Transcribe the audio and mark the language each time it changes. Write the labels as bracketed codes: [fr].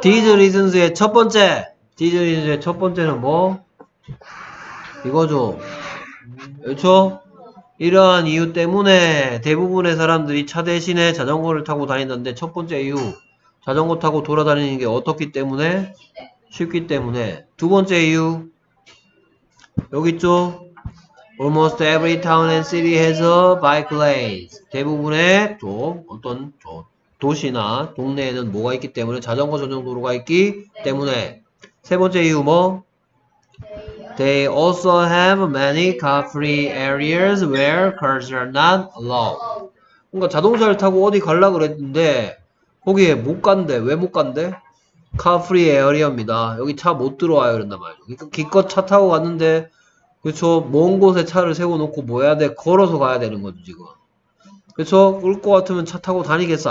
[ko] These reasons의 첫 번째. These reasons의 첫 번째는 뭐? 이거죠. 그렇죠? 이러한 이유 때문에 대부분의 사람들이 차 대신에 자전거를 타고 다닌다는데 첫 번째 이유 자전거 타고 돌아다니는 게 어떻기 때문에? 쉽기 때문에. 두 번째 이유 여기 있죠? [en] Almost every town and city has a bike lane. [ko] 대부분의 또 어떤 또 도시나 동네에는 뭐가 있기 때문에? 자전거 전용 도로가 있기 때문에. 세 번째 이유 뭐? [en] They also have many car-free areas where cars are not allowed. [ko] 그러니까 자동차를 타고 어디 가려고 그랬는데 거기에 못 간대. 왜 못 간대? Car-free area입니다. 여기 차 못 들어와요. 그런단 말이죠. 그러니까 기껏 차 타고 갔는데 그렇죠? 먼 곳에 차를 세워놓고 뭐 해야 돼? 걸어서 가야 되는 거죠, 지금. 그렇죠? 올 것 같으면 차 타고 다니겠어?